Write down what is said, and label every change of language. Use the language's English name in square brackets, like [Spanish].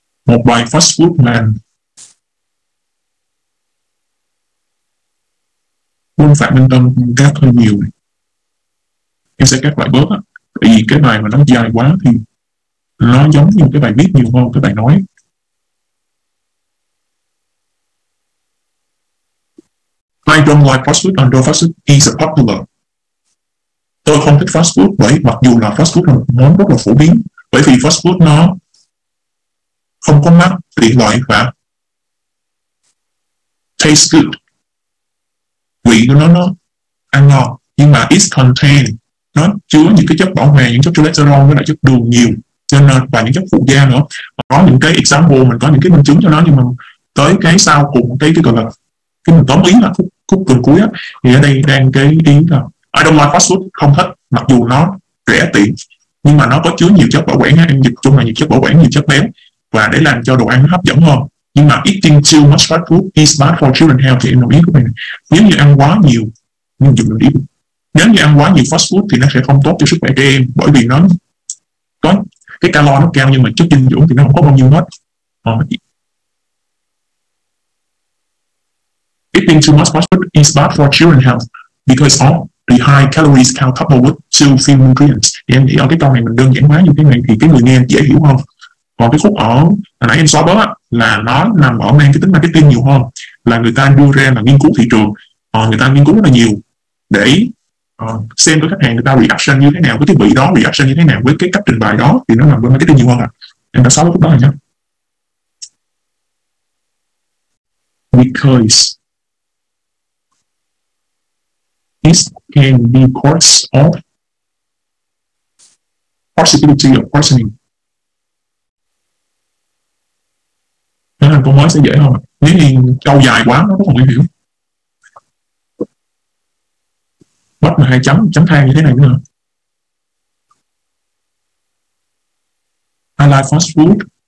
[Vietnamese] một bài fast food mà quân Phạm Minh Tân cắt hơi nhiều này. Em sẽ cắt lại bớt á, tại vì cái bài mà nó dài quá thì nó giống như cái bài viết nhiều hơn cái bài nói. [English] I don't like fast food, and fast food is popular. [Vietnamese] Tôi không thích fast food, bởi mặc dù là fast food là một món rất là phổ biến, bởi vì fast food nó không có mắc, tiện lợi và [English] taste good. [Vietnamese] Vị của nó ăn ngon, nhưng mà [English] it contain, [Vietnamese] nó chứa những cái chất bảo hòa, những chất cholesterol với lại chất đường nhiều, cho nên và những chất phụ gia nữa. Có những cái example, mình có những cái minh chứng cho nó, nhưng mà tới cái sau cùng, cái gọi là cái mình tóm ý là khúc gần cuối á, thì ở đây đang cái ý là [English] I don't like fast food, [Vietnamese] không thích, mặc dù nó rẻ tiền, nhưng mà nó có chứa nhiều chất bảo quản á, em dịch chung là nhiều chất bảo quản, nhiều chất béo, và để làm cho đồ ăn nó hấp dẫn hơn. Nhưng mà [English] eating too much fast food is bad for children health, [Vietnamese] thì em đồng ý của mình này. Nếu như ăn quá nhiều, nhưng dùng đồng ý. Nếu như ăn quá nhiều fast food thì nó sẽ không tốt cho sức khỏe trẻ em, bởi vì nó có cái calo nó cao, nhưng mà chất dinh dưỡng thì nó không có bao nhiêu hết. [English] Eating too much fast food is bad for children's health because of the high calories count coupled with too few nutrients. [Vietnamese] Thì em nghĩ ở cái câu này mình đơn giản hóa như thế này thì cái người nghe dễ hiểu hơn. Còn cái khúc ở hồi nãy em xóa bớt á, là nó nằm ở mang cái tính marketing nhiều hơn, là người ta đưa ra là nghiên cứu thị trường, người ta nghiên cứu rất là nhiều để xem với khách hàng người ta reaction như thế nào với thiết bị đó, reaction như thế nào với cái cách trình bày đó, thì nó nằm bên marketing nhiều hơn ạ. Em đã xóa bớt khúc đó rồi nhé. [English] Because this can be cause of possibility of poisoning. [Vietnamese] Thế nên câu nói sẽ dễ hơn. Nếu như câu dài quá nó rất là nguy hiểm. Bắt mà hai chấm, chấm than như thế này nữa. [English] I like fast food.